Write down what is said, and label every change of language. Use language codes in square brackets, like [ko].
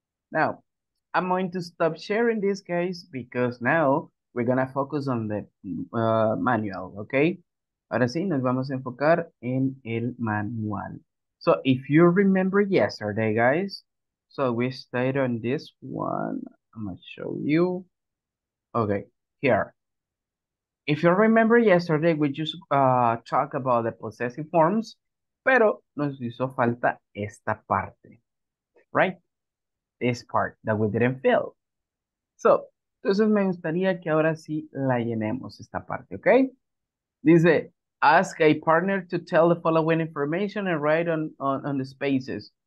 [en] Now, I'm going to stop sharing this case because now we're going to focus on the manual, okay? [es] Ahora sí, nos vamos a enfocar en el manual. [en] So, if you remember yesterday, guys, so we stayed on this one. I'm gonna show you. Okay, here. If you remember yesterday, we just talked about the possessive forms, [es] pero nos hizo falta esta parte, [en] right? This part that we didn't fill. [es] So, entonces me gustaría que ahora sí la llenemos esta parte, okay? [en] Dice, ask a partner to tell the following information and write on the spaces.